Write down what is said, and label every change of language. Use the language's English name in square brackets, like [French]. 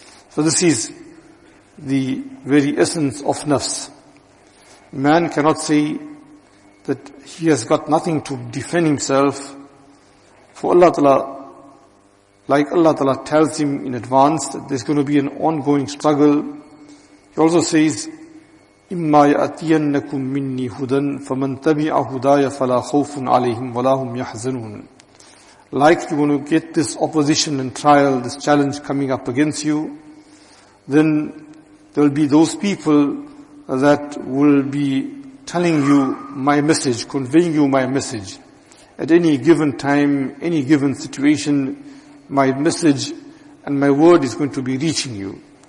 [English] So this is the very essence of nafs. Man cannot say that he has got nothing to defend himself. For Allah Ta'ala, like Allah Ta'ala tells him in advance that there's going to be an ongoing struggle. He also says, [Arabic] إِمَّا يَأْتِيَنَّكُم مِّنِّي هُدًى فَمَنْ تَبِعَ هُدَايَ فَلَا خَوْفٌ عَلَيْهِمْ وَلَا هُمْ يَحْزَنُونَ. [English] Like you're going to get this opposition and trial, this challenge coming up against you, then there will be those people that will be telling you my message, conveying you my message. At any given time, any given situation, my message and my word is going to be reaching you.